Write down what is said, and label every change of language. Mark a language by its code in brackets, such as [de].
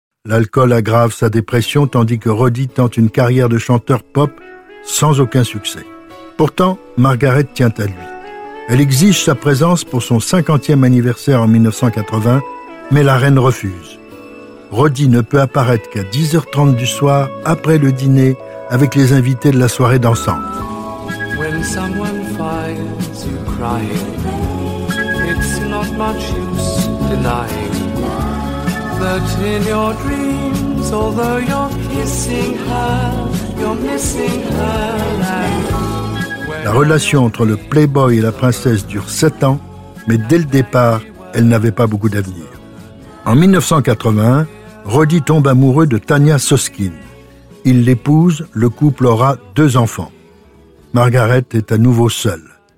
[fr] L'alcool aggrave sa dépression, tandis que Roddy tente une carrière de chanteur pop sans aucun succès. Pourtant, Margaret tient à lui. Elle exige sa présence pour son 50e anniversaire en 1980, mais la reine refuse. Roddy ne peut apparaître qu'à 10h30 du soir, après le dîner, avec les invités de la soirée dansante. [en] When someone finds you crying, it's not much use denying that in your dreams, although you're kissing her, you're missing her. [fr] La relation entre le playboy et la princesse dure 7 ans, mais dès le départ, elle n'avait pas beaucoup d'avenir. En 1981, Roddy tombe amoureux de Tanya Soskin. Il l'épouse, le couple aura 2 enfants. Margaret est à nouveau seule.